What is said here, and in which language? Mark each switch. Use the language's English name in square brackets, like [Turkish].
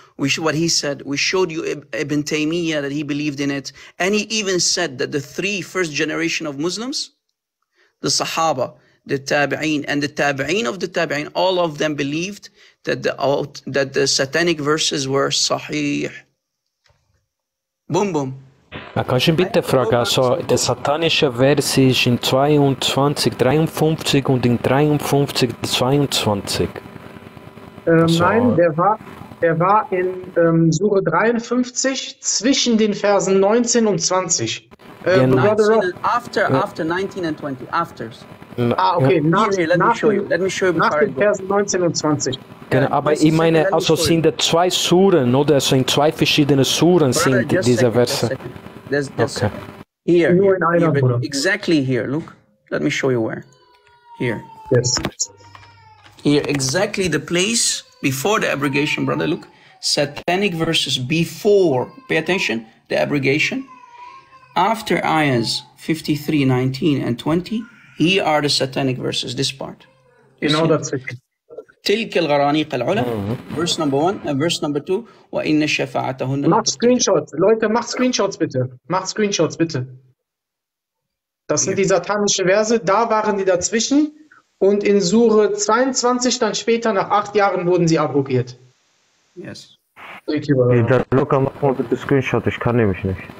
[English] What he said, we showed you Ibn Taymiyyah, that he believed in it. And he even said that the 3 first generation of Muslims, the Sahaba, the Tabi'een, and the Tabi'een of the Tabi'een, all of them believed that the satanic verses were Sahih. Boom, boom. [German] Kannst du bitte fragen, also der satanische Vers ist in 22, 53 und in 53, 22? Nein, der war in Sure 53 zwischen den Versen 19 und 20. [English] After 19 and 20, afters. [German] Nach den Versen 19 und 20. Genau, aber ich meine, also sind da 2 Suren, oder? Also in 2 verschiedene Suren sind diese Verse. [English] That's okay. Here, exactly here. Look, let me show you where. Here. Yes. Here, exactly the place before the abrogation, brother. Look, satanic verses before. Pay attention, the abrogation. After Ayahs 53, 19, and 20, here are the satanic verses, this part. You know that's it. [Arabic] تلك الغرانيق العلى [English] verse number 1 and verse number 2 [Arabic] وإن شفاعتهن [German] macht screenshots Leute macht screenshots bitte macht screenshots bitte das sind die satanischen Verse da waren die dazwischen und in Sure 22 dann später nach 8 Jahren wurden sie abrogiert [English] yes thank you [German] Luca mach mal bitte screenshot ich kann nämlich nicht